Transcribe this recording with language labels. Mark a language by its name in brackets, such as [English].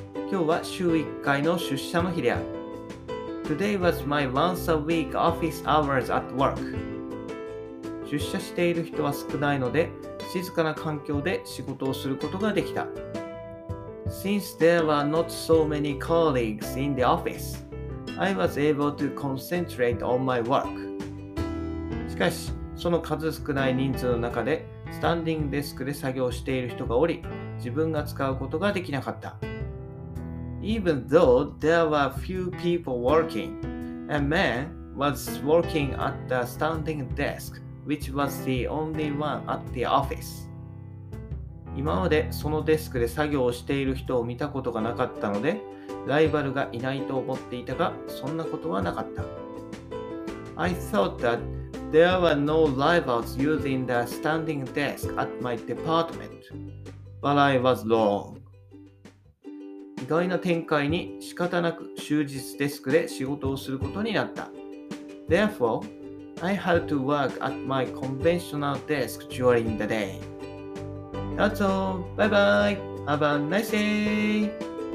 [Japanese] 今日は週1回の出社の日である。 [English] Today was my once a week office hours at work. [Japanese] 出社している人は少ないので、静かな環境で仕事をすることができた。 [English] Since there were not so many colleagues in the office, I was able to concentrate on my work. [Japanese] しかし、その数少ない人数の中で、スタンディングデスクで作業している人がおり、自分が使うことができなかった。 [English] Even though there were few people working, a man was working at the standing desk, which was the only one at the office. [Japanese] 今までそのデスクで作業をしている人を見たことがなかったので、ライバルがいないと思っていたが、そんなことはなかった。 [English] I thought that there were no rivals using the standing desk at my department, but I was wrong. [Japanese] 意外な展開に仕方なく終日デスクで仕事をすることになった。 [English] Therefore, I had to work at my conventional desk during the day. That's all. Bye bye. Have a nice day.